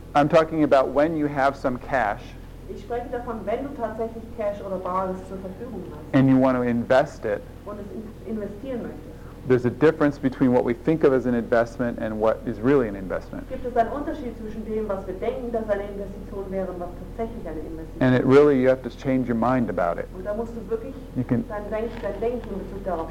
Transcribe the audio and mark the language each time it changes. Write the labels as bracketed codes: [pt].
[en] I'm talking about when you have some cash. [de] Ich spreche davon, wenn du tatsächlich Cash oder Bares zur Verfügung hast. [en] And you want to invest it. [de] Und es investieren möchtest. [en] There's a difference between what we think of as an investment and what is really an investment. [de] Gibt es einen Unterschied zwischen dem, was wir denken, dass eine Investition wäre, und was tatsächlich eine Investition? [en] And it really, you have to change your mind about it. [de] Und da musst du wirklich dein Denken in Bezug darauf